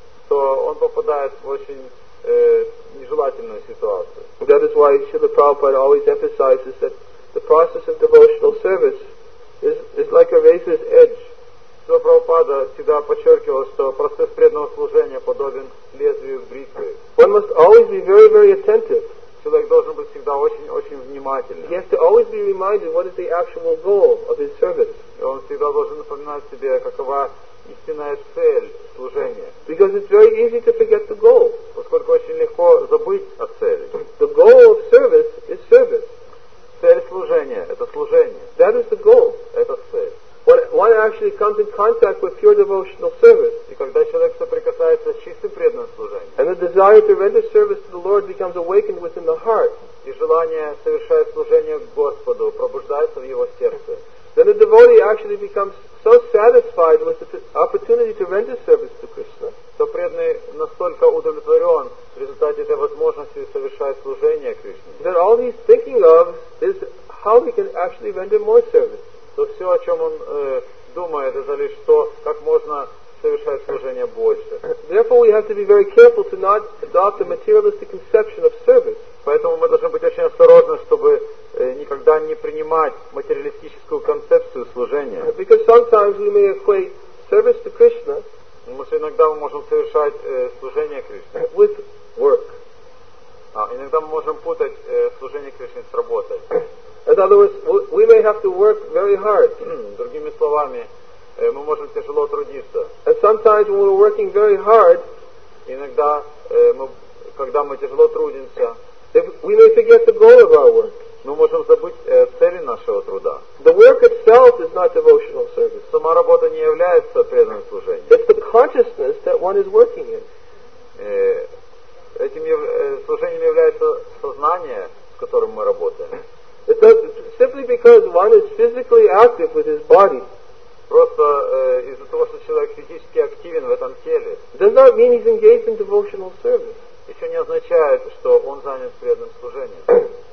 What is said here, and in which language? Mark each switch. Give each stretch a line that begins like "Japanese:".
Russian: То он попадает в очень нежелательную ситуацию.
English: That is why Śrīla Prabhupāda always emphasizes that the process of devotional service is like a razor's edge.
Russian: Śrīla Prabhupāda всегда подчеркивал, что процесс преданного служения подобен лезвию бритвы.
English: One must always be very, very attentive.
Russian: Человек должен быть всегда очень, очень внимательным.
English: He has to always be reminded what is the actual goal of his service.
Russian: И он всегда должен напоминать себе, какова истинная цель служения.
English: Because it's very easy to forget the goal.
Russian: Поскольку очень легко забыть о цели.
English: The goal of service is service.
Russian: Цель служения – это служение.
English: That is the goal.
Russian: Это цель.
English: When one actually comes in contact with pure devotional service,
Russian: и когда человек соприкасается с чистым преданным служением,
English: and the desire to render service to the Lord becomes awakened within the heart,
Russian: и желание совершать служение Господу пробуждается в его сердце,
English: then the devotee actually becomes so satisfied with the opportunity to render service to Krishna,
Russian: то преданный настолько удовлетворен в результате этой возможности совершать служение Кришне,
English: that all he's thinking of is how he can actually render more service.
Russian: То все, о чем он думает, это лишь то, как можно совершать служение больше.
English: Therefore, we have to be very careful to not adopt a materialistic conception of service.
Russian: Поэтому мы должны быть очень осторожны, чтобы никогда не принимать материалистическую концепцию служения.
English: Because sometimes we may equate service to Krishna.
Russian: Потому что иногда мы можем совершать служение Кришне.
English: With work.
Russian: А иногда мы можем путать служение Кришне с работой.
English: In other words, we may have to work very hard.
Russian: Другими словами, мы можем тяжело трудиться.
English: And sometimes when we're working very hard,
Russian: иногда, когда мы тяжело трудимся,
English: we may forget the goal of our work.
Russian: Мы можем забыть цели нашего труда.
English: The work itself is not devotional service.
Russian: Сама работа не является преданным служением.
English: It's the consciousness that one is working in.
Russian: Этим служением является сознание, с которым мы работаем.
English: Simply because one is physically active with his body,
Russian: просто из-за того, что человек физически активен в этом теле,
English: does not mean he's engaged in devotional service.
Russian: Еще не означает, что он занят преданным служением.